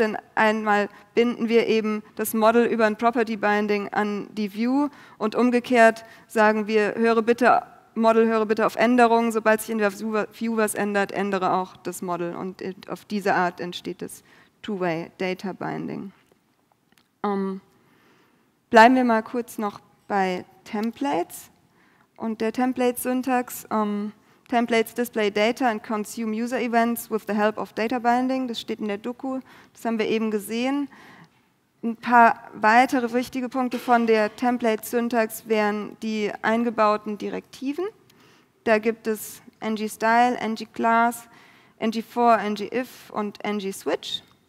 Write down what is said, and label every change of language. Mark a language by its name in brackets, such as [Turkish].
[German] Denn einmal binden wir eben das Model über ein Property Binding an die View und umgekehrt sagen wir, höre bitte auf Änderungen. Sobald sich in der View was ändert, ändere auch das Model. Und auf diese Art entsteht das Two-Way Data Binding. Bleiben wir mal kurz noch bei Templates und der Template-Syntax. [English] Templates display data and consume user events with the help of data binding. [German] Das steht in der Doku, das haben wir eben gesehen. Ein paar weitere wichtige Punkte von der Template-Syntax wären die eingebauten Direktiven. Da gibt es ng-style, ng-class, ng-for, ng-if und ng-switch.